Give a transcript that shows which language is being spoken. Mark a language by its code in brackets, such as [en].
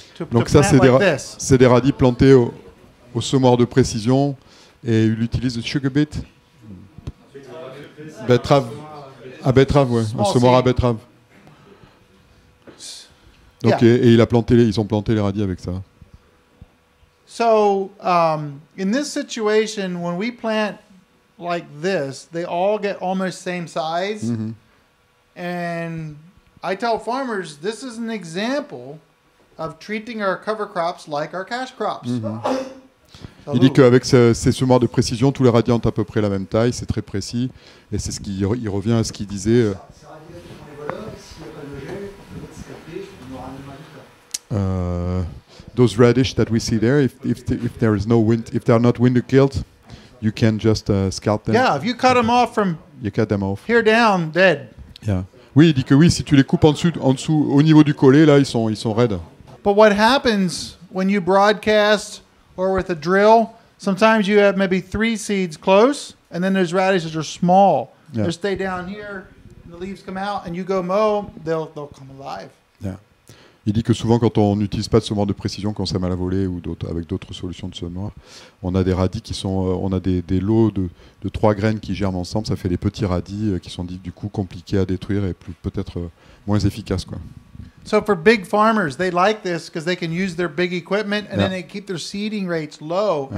[fr] Donc ça, c'est des radis plantés au semoir de précision et il utilise le [en] sugar beet. [fr] Betterave. À betterave, oui. Un semoir à betterave. Donc, yeah. Et ils ont planté les radis avec ça. [en] So, in this situation, when we plant like this, they all get almost same size. Mm-hmm. And I tell farmers, this is an example of treating our cover crops like our cash crops. Mm-hmm. [fr] Il dit qu'avec ces semoirs de précision, tous les radis ont à peu près la même taille, c'est très précis, et c'est ce qui il revient à ce qu'il disait. [en] Those radish that we see there, if there is no wind, if they are not window killed, you can just scalp them. Yeah, if you cut them off from you cut them off. Here down, dead. Yeah. [fr] Oui, il dit que oui, si tu les coupes en dessous, au niveau du collet, là, ils sont raides. [en] But what happens when you broadcast or with a drill, sometimes you have maybe 3 seeds close and then those radishes are small. Yeah. They stay down here and the leaves come out and you go mow, they'll come alive. Yeah. [fr] Il dit que souvent quand on n'utilise pas de semoir de précision, quand c'est mal à voler ou avec d'autres solutions de semoir, on a des radis qui sont, on a des lots de 3 graines qui germent ensemble, ça fait des petits radis qui sont du coup compliqués à détruire et peut-être moins efficaces, quoi. [en] So for big farmers, they like this because they can use their big equipment and yeah. then they keep their seeding rates low yeah.